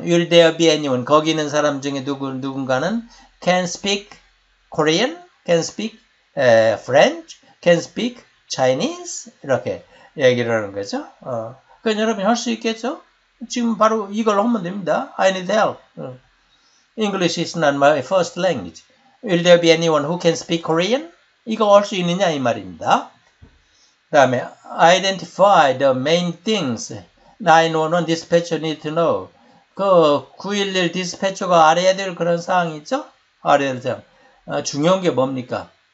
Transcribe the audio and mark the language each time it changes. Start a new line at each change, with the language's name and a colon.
English: Will there be anyone?
Korean: 거기 있는 사람 중에 누군가는
English: can speak Korean? Can speak French? Can speak Chinese?
Korean: 이렇게 얘기를 하는 거죠. 그건 여러분이 할수 있겠죠? 지금 바로 이걸 하면 됩니다.
English: I need help. English is not my first language. Will there be anyone who can speak Korean?
Korean: 이거 할수 있느냐 이 말입니다. 그다음에
English: identify the main things 911 dispatcher need to know.
Korean: 그911 dispatcher가 알아야 될 그런 사항이 있죠? 알아야 될 사항. 중요한 게 뭡니까?